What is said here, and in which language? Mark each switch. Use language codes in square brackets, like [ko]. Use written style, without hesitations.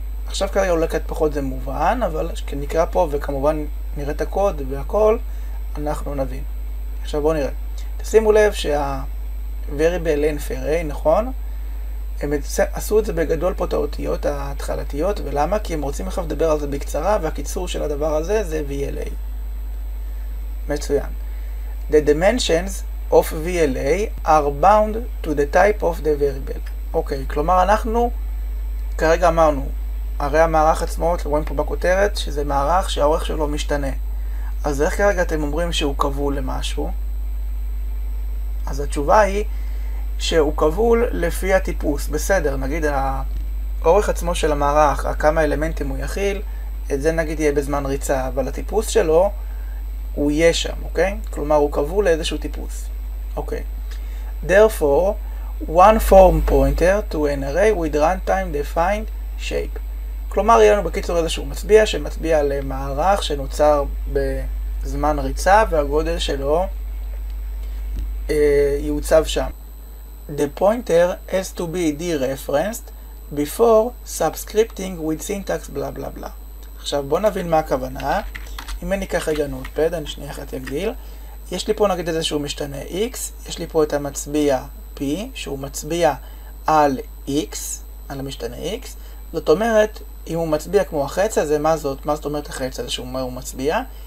[he] עכשיו כרגע הולכת פחות זה מובן, אבל כנקרא פה וכמובן נראה את הקוד והכל, אנחנו נבין. עכשיו בואו נראה. תשימו לב שה variable length array, נכון? הם עשו את זה בגדול פה את האותיות ההתחלתיות, ולמה? כי הם רוצים לך לדבר על זה בקצרה, והקיצור של הדבר הזה זה VLA. מצוין. [en] The dimensions of VLA are bound to the type of the variable. [he] אוקיי, כלומר אנחנו כרגע אמרנו, הרי המערך עצמו, אתם רואים פה בכותרת, שזה מערך שהאורך שלו משתנה. אז איך כרגע אתם אומרים שהוא קבול למשהו? אז התשובה היא שהוא קבול לפי הטיפוס. בסדר, נגיד האורך עצמו של המערך, כמה אלמנטים הוא יכיל, את זה נגיד יהיה בזמן ריצה, אבל הטיפוס שלו הוא יהיה שם, אוקיי? כלומר, הוא קבול לאיזשהו טיפוס. אוקיי. [en] Therefore, one form pointer to an array with runtime defined shape. [he] כלומר, יהיה לנו בקיצור איזשהו מצביע, שמצביע למערך שנוצר בזמן ריצה, והגודל שלו יוצב שם. [en] The pointer has to be dereferenced before subscripting with syntax blah blah blah. [he] עכשיו, בוא נבין מה הכוונה. אם אני אקח רגע נוטפד, אני שנייה אחת אגדיל. יש לי פה נגיד איזשהו משתנה X, יש לי פה את המצביע P, שהוא מצביע על X, על המשתנה X. זאת אומרת, אם הוא מצביע כמו החץ הזה, מה זאת? מה זאת אומרת החץ הזה שהוא מצביע?